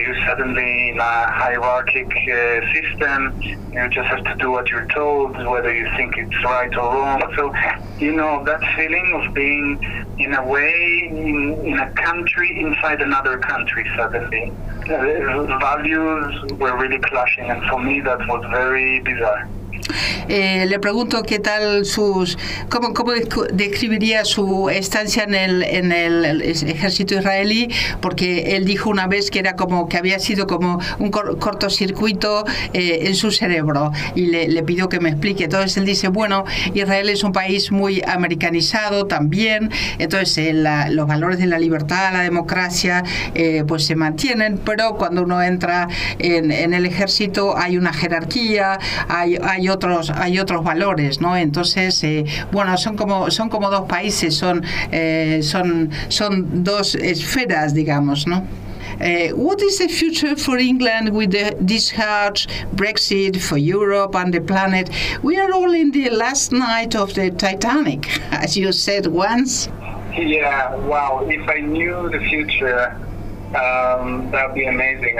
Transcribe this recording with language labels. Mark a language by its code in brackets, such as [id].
[en] You suddenly in a hierarchic system, you just have to do what you're told, whether you think it's right or wrong. So, you know, that feeling of being in a way in a country inside another country suddenly. Values were really clashing, and for me that was very bizarre. [es] Le pregunto qué tal sus cómo describiría su estancia en el ejército israelí, porque él dijo una vez que era como que había sido como un cortocircuito en su cerebro, y le pidió que me explique. Entonces él dice, bueno, Israel es un país muy americanizado también, entonces los valores de la libertad, la democracia, pues se mantienen, pero cuando uno entra en el ejército hay una jerarquía, hay otros valores, ¿no? Entonces, bueno, son como dos países, son dos esferas, digamos, ¿no? [en] What is the future for England with this harsh Brexit, for Europe and the planet? We are all in the last night of the Titanic, as you said once. Yeah, wow. If I knew the future, that'd be amazing.